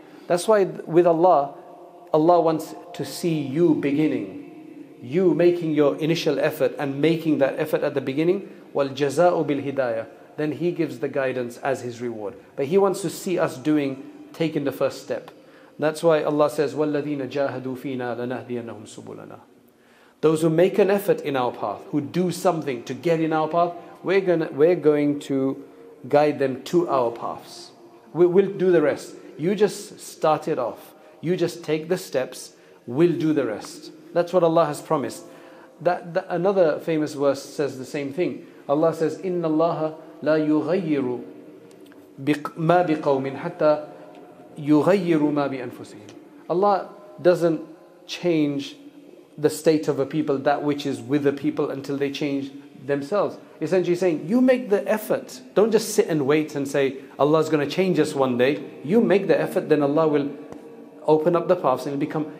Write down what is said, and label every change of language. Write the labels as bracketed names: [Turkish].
[English] That's why with Allah, Allah wants to see you beginning, you making your initial effort and making that effort at the beginning. [Arabic] وَالْجَزَاءُ بِالْهِدَايَةُ. [English] Then He gives the guidance as His reward. But He wants to see us taking the first step. That's why Allah says, [Arabic] وَالَّذِينَ جَاهَدُوا فِينَا لَنَهْدِيَنَّهُمْ سُبُلَنَا. [English] Those who make an effort in our path, who do something to get in our path, we're going to guide them to our paths. We'll do the rest. You just start it off. You just take the steps. We'll do the rest. That's what Allah has promised. That another famous verse says the same thing. Allah says, [Arabic] إِنَّ اللَّهَ لَا يُغَيِّرُ مَا بِقَوْمٍ حَتَّى يُغَيِّرُ مَا بِأَنفُسِهِمْ. [English] Allah doesn't change the state of a people, that which is with the people, until they change themselves. Essentially saying, you make the effort. Don't just sit and wait and say, Allah's going to change us one day. You make the effort, then Allah will open up the paths and become...